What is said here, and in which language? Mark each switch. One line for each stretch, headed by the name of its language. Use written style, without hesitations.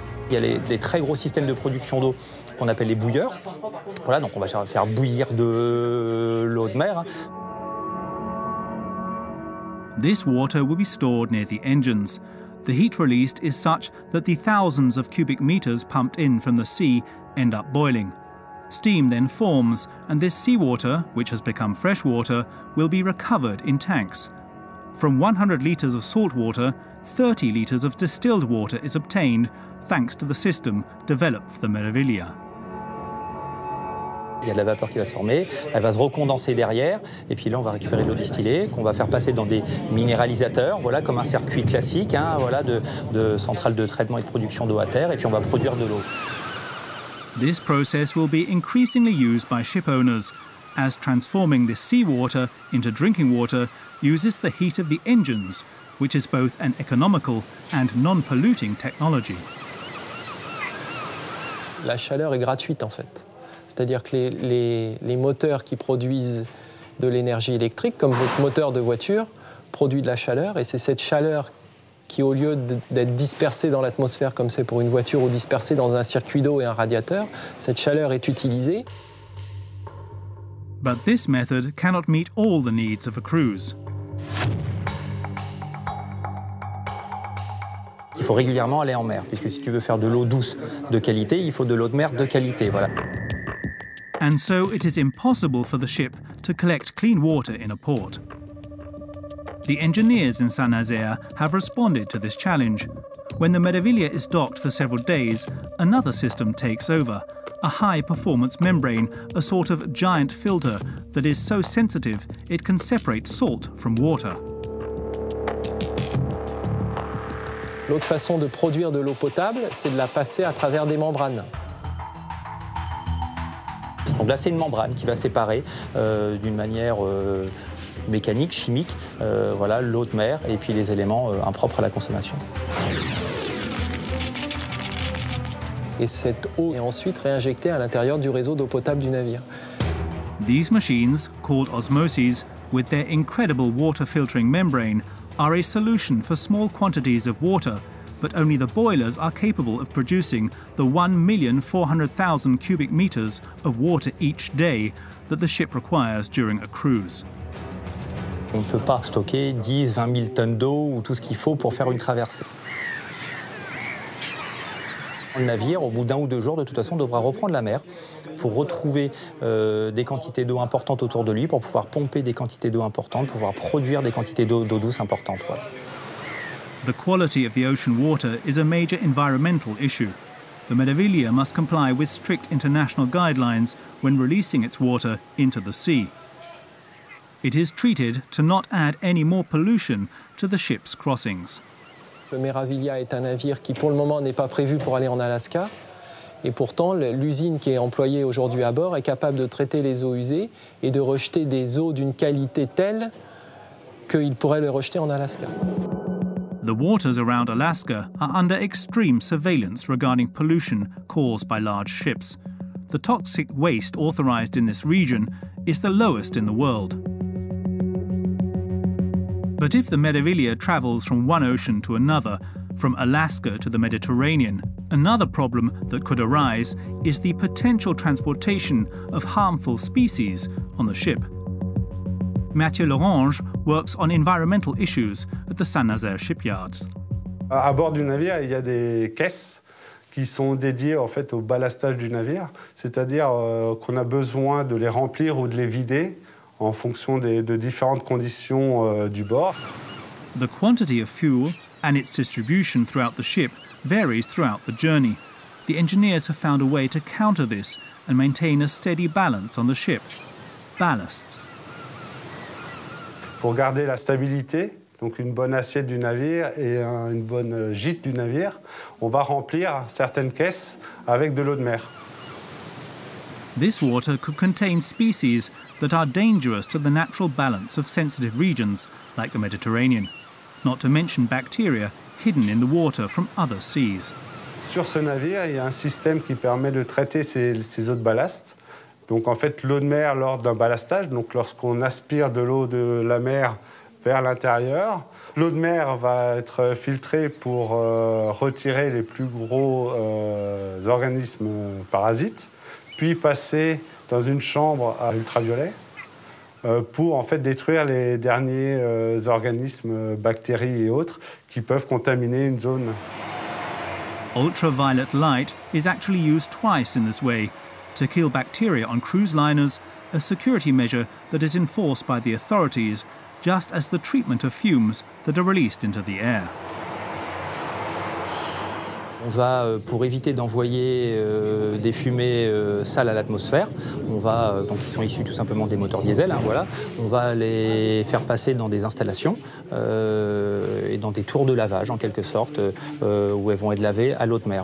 French: Il y a des très gros systèmes de production d'eau qu'on appelle les bouilleurs. Voilà, donc on va faire bouillir de l'eau de mer.
English: This water will be stored near the engines. The heat released is such that the thousands of cubic meters pumped in from the sea end up boiling. Steam then forms, and this seawater, which has become fresh water, will be recovered in tanks. From 100 liters of salt water, 30 liters of distilled water is obtained, thanks to the system developed for the Meraviglia.
French: Il y a de la vapeur qui va se former, elle va se recondenser derrière, et puis là on va récupérer l'eau distillée qu'on va faire passer dans des minéralisateurs, voilà comme un circuit classique, hein, voilà de centrales de traitement et de production d'eau à terre, et puis on va produire de l'eau.
English: This process will be increasingly used by ship owners, as transforming the seawater into drinking water uses the heat of the engines, which is both an economical and non-polluting technology.
French: La chaleur est gratuite en fait. C'est-à-dire que les moteurs qui produisent de l'énergie électrique, comme votre moteur de voiture, produit de la chaleur, et c'est cette chaleur qui, au lieu d'être dispersée dans l'atmosphère comme c'est pour une voiture, ou dispersée dans un circuit d'eau et un radiateur, cette chaleur est utilisée.
English: But this method cannot meet all the needs of a cruise.
French: Il faut régulièrement aller en mer, puisque si tu veux faire de l'eau douce de qualité, il faut de l'eau de mer de qualité, voilà.
English: And so it is impossible for the ship to collect clean water in a port. The engineers in Saint-Nazaire have responded to this challenge. When the Meraviglia is docked for several days, another system takes over, a high-performance membrane, a sort of giant filter that is so sensitive it can separate salt from water.
French: L'autre façon de produire de l'eau potable, c'est de la passer à travers des membranes. Donc là, c'est une membrane qui va séparer d'une manière mécanique, chimique, voilà, l'eau de mer et puis les éléments impropres à la consommation. Et cette eau est ensuite réinjectée à l'intérieur du réseau d'eau potable du navire.
English: These machines, called osmoses, with their incredible water filtering membrane, are a solution for small quantities of water, but only the boilers are capable of producing the 1,400,000 cubic meters of water each day that the ship requires during a cruise.
French: On ne peut pas stocker 10, 20 000 tonnes d'eau ou tout ce qu'il faut pour faire une traversée. Le navire, au bout d'un ou deux jours, de toute façon, devra reprendre la mer pour retrouver des quantités d'eau importantes autour de lui, pour pouvoir pomper des quantités d'eau importantes, pour pouvoir produire des quantités d'eau douce importantes. Voilà.
English: The quality of the ocean water is a major environmental issue. The Meraviglia must comply with strict international guidelines when releasing its water into the sea. It is treated to not add any more pollution to the ship's crossings.
French: Le Meraviglia est un navire qui, pour le moment, n'est pas prévu pour aller en Alaska. Et pourtant, l'usine qui est employée aujourd'hui à bord est capable de traiter les eaux usées et de rejeter des eaux d'une qualité telle qu'il pourrait les rejeter en Alaska.
English: The waters around Alaska are under extreme surveillance regarding pollution caused by large ships. The toxic waste authorized in this region is the lowest in the world. But if the Meraviglia travels from one ocean to another, from Alaska to the Mediterranean, another problem that could arise is the potential transportation of harmful species on the ship. Mathieu Lorange works on environmental issues at the Saint-Nazaire shipyards.
French: À bord du navire, il y a des caisses qui sont dédiées en fait au ballastage du navire, c'est-à-dire qu'on a besoin de les remplir ou de les vider en fonction de différentes conditions du bord.
English: The quantity of fuel and its distribution throughout the ship varies throughout the journey. The engineers have found a way to counter this and maintain a steady balance on the ship. Ballasts.
French: Pour garder la stabilité, donc une bonne assiette du navire et une bonne gîte du navire, on va remplir certaines caisses avec de l'eau de mer.
English: This water could contain species that are dangerous to the natural balance of sensitive regions like the Mediterranean, not to mention bacteria hidden in the water from other seas.
French: Sur ce navire, il y a un système qui permet de traiter ces eaux de ballast. Donc en fait, l'eau de mer lors d'un ballastage, donc lorsqu'on aspire de l'eau de la mer vers l'intérieur, l'eau de mer va être filtrée pour retirer les plus gros organismes parasites, puis passer dans une chambre à ultraviolet pour en fait détruire les derniers organismes, bactéries et autres qui peuvent contaminer une zone.
English: Ultraviolet light is actually used twice in this way to kill bacteria on cruise liners, a security measure that is enforced by the authorities, just as the treatment of fumes that are released into the air.
French: On va, pour éviter d'envoyer des fumées sales à l'atmosphère, on va, donc ils sont issus tout simplement des moteurs diesel, hein, voilà, on va les faire passer dans des installations et dans des tours de lavage en quelque sorte, où elles vont être lavées à l'eau de mer.